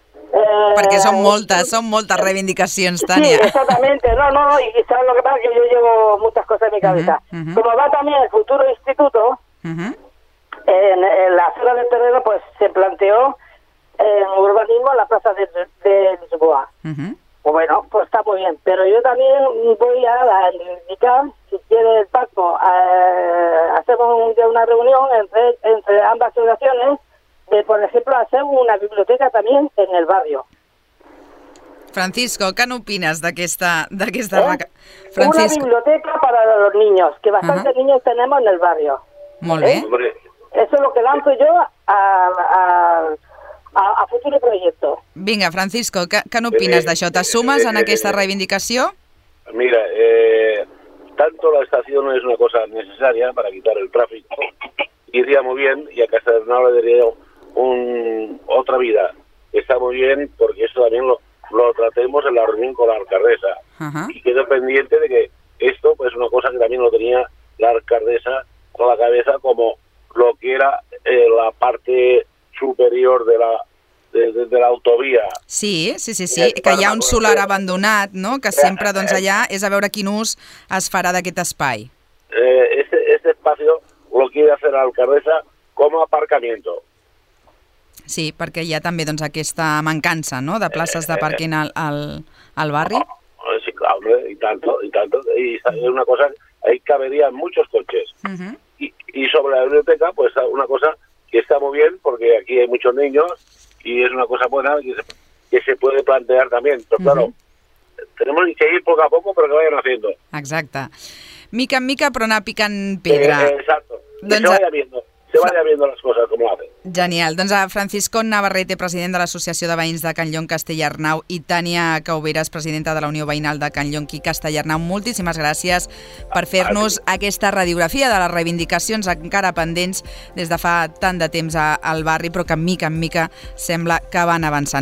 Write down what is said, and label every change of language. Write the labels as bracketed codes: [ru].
[ca] Perquè són moltes reivindicacions, Tània. [es] Sí, exactamente. No, y sabes lo que pasa, que yo llevo muchas cosas en mi cabeza. Uh-huh, uh-huh. Como va también el futuro instituto... Uh-huh. En la zona del terreno, pues se planteó en urbanismo la plaza de Lisboa. Uh-huh. Bueno, pues está muy bien. Pero yo también voy a indicar, si quiere el Paco, hacemos una reunión entre ambas asociaciones de, por ejemplo, hacer una biblioteca también en el barrio. Francisco, ¿qué opinas de esta? Francisco. Una biblioteca para los niños, que bastantes uh-huh. niños tenemos en el barrio. Muy bien. Eso es lo que lanzo yo a futuro proyecto. [ca] Vinga, Francisco, què n'opines d'això? ¿Te sumes en aquesta reivindicació? [es] Mira, tanto la estación no es una cosa necesaria para quitar el tráfico. Iría muy bien y a Castellarnau le daría otra vida. Está muy bien porque esto también lo tratemos en la reunión con la alcaldesa. Uh-huh. Y quedo pendiente de que esto pues, es una cosa que también lo tenía la alcaldesa con la cabeza como... lo que era la parte superior de la autovía. [ca] Sí, sí, sí, sí, que hi ha un solar abandonat, no?, que sempre, doncs, allà és a veure quin ús es farà d'aquest espai. [es] Este espacio lo quiere hacer la alcaldesa como aparcamiento. [ca] Sí, perquè hi ha també, doncs, aquesta mancança, no?, de places de parking al barri. Sí, clar, i tanto, i és una cosa, [es] ahí caberían muchos coches. [ca] Mhm. Uh-huh. [es] Y sobre la biblioteca, pues una cosa que está muy bien, porque aquí hay muchos niños y es una cosa buena que se puede plantear también. Pero claro, tenemos que ir poco a poco, pero que vayan haciendo. [ca] Exacte. Mica en mica, però anar picant pedra. [es] Exacto. Doncs... Se vaya viendo las cosas como hacen. Genial. [ca] Doncs a Francisco Navarrete, president de l'Associació de Veïns de Canllong Castellarnau, i Tània Cauveres, presidenta de la Unió Veïnal de Canllong i Castellarnau, moltíssimes gràcies per fer-nos aquesta radiografia de les reivindicacions encara pendents des de fa tant de temps al barri, però que mica en mica sembla que van avançant.